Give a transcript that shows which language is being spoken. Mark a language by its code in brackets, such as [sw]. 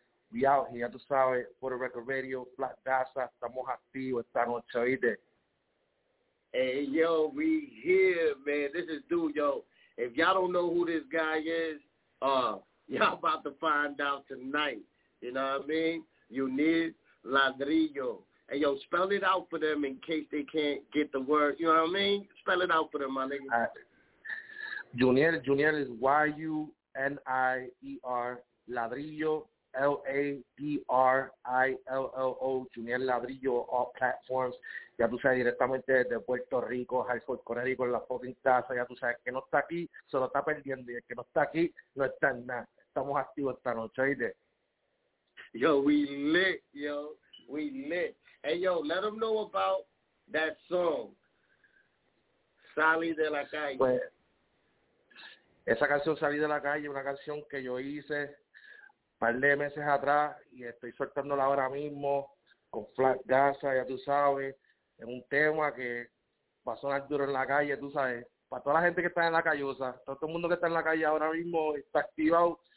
[en] We out here, [es] ya tú sabes, Puerto Rico Radio, Flat Daza, estamos activos esta noche, ¿oíste? [en] Hey, yo, we here, man. This is dude, yo. If y'all don't know who this guy is, y'all about to find out tonight. You know what I mean? You need [es] Ladrillo. [en] And yo, spell it out for them in case they can't get the word. You know what I mean? Spell it out for them, my nigga. Junior is Y-U-N-I-E-R, Ladrillo, L-A-D-R-I-L-L-O, Junior Ladrillo, all platforms. [es] Ya tú sabes, directamente desde Puerto Rico, Hartford, Connecticut, con la fucking taza. Ya tú sabes, que no está aquí, se lo está perdiendo. Y el que no está aquí, no está en nada. Estamos activos esta noche, ¿oíste? [en] Yo, we lit, yo. We lit. Hey, yo, let them know about that song, Salí de la Calle. [es] Pues, esa canción, Salí de la Calle, una canción que yo hice un par de meses atrás y estoy soltándola ahora mismo con Flat Gaza, ya tú sabes, es un tema que va a sonar duro en la calle, tú sabes, para toda la gente que está en la calle, o sea, todo el mundo que está en la calle ahora mismo está activado.